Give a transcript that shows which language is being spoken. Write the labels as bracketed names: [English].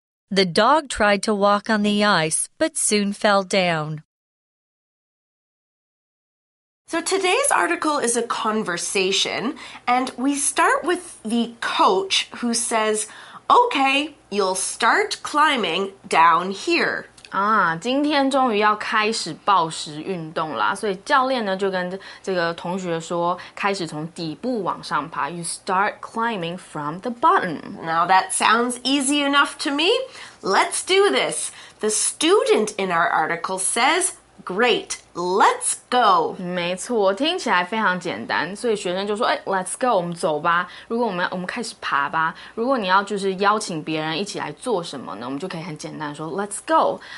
[English] The dog tried to walk on the ice, but soon fell down. So today's article is a conversation, and we start with the coach who says, Okay, you'll start climbing down here. [Chinese] 今天终于要开始抱石运动了，所以教练呢就跟这个同学说，开始从底部往上爬。 [English] You start climbing from the bottom. Now that sounds easy enough to me.Let's do this. The student in our article says, Great, let's go. [Chinese] 没错，听起来非常简单，所以学生就说，哎 , [English] let's go, [Chinese] 我们走吧。如果我们开始爬吧。如果你要就是邀请别人一起来做什么呢，我们就可以很简单说 , [English] let's go.